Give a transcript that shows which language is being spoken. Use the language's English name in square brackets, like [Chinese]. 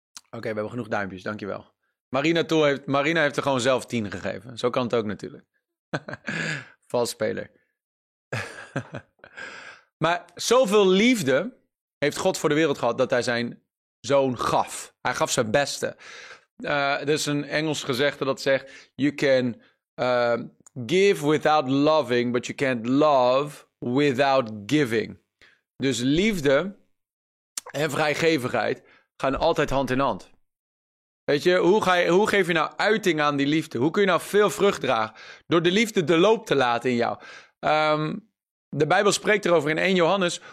[Dutch] Oké, we hebben genoeg duimpjes, dankjewel. Marina heeft er gewoon zelf 10 gegeven. Zo kan het ook natuurlijk. Vals speler. Maar zoveel liefde heeft God voor de wereld gehad dat hij zijn zoon gaf. Hij gaf zijn beste. Er is een Engels gezegde dat zegt, [English] you can... Give without loving, but you can't love without giving. [Dutch] Dus liefde en vrijgevigheid gaan altijd hand in hand. Weet je, hoe geef je nou uiting aan die liefde? Hoe kun je nou veel vrucht dragen? Door de liefde de loop te laten in jou. De Bijbel spreekt erover in 1 Johannes.